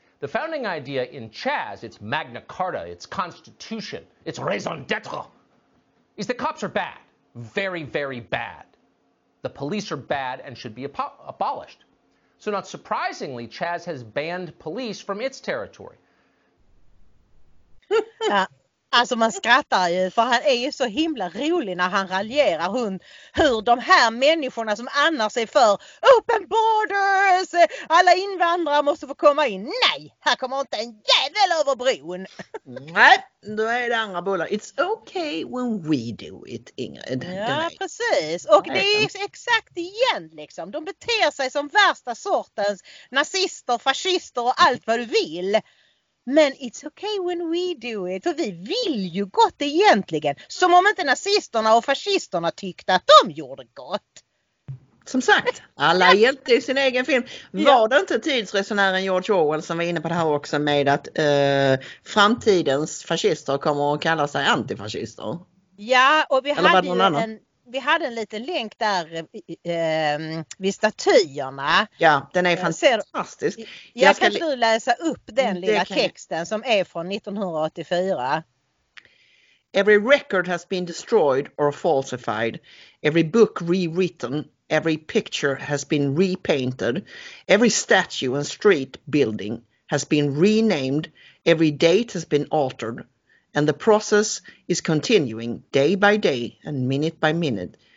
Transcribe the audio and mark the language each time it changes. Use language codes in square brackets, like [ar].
[en] The founding idea in CHAZ, its Magna Carta, its constitution, its raison d'etre, is that cops are bad, very, very bad. The police are bad and should be abolished. So not surprisingly, CHAZ has banned police from its territory. [sv] Alltså man skrattar ju, för han är ju så himla rolig när han raljerar hur de här människorna som annars är för [en] open borders, [sv] alla invandrare måste få komma in. Nej, här kommer inte en jävel över bron. Nej, då är det andra bollar. [en] It's okay when we do it, Ingrid. [sv] Ja, precis. Och det är exakt igen liksom. De beter sig som värsta sortens nazister, fascister och allt vad du vill. [en] Men it's okay when we do it. [sv] För vi vill ju gott egentligen. Som om inte nazisterna och fascisterna tyckte att de gjorde gott. Som sagt, alla är hjälte i sin egen film. Var det inte tidsresenären George Orwell som var inne på det här också med att framtidens fascister kommer att kalla sig antifascister? Ja, och vi hade en liten länk där vid statyerna. Ja, den är fantastisk. Jag kan du läsa upp den lilla texten som är från 1984? [en] Every record has been destroyed or falsified. Every book rewritten. Every picture has been repainted. Every statue and street building has been renamed. Every date has been altered. And the process is continuing day by day and minute by minute.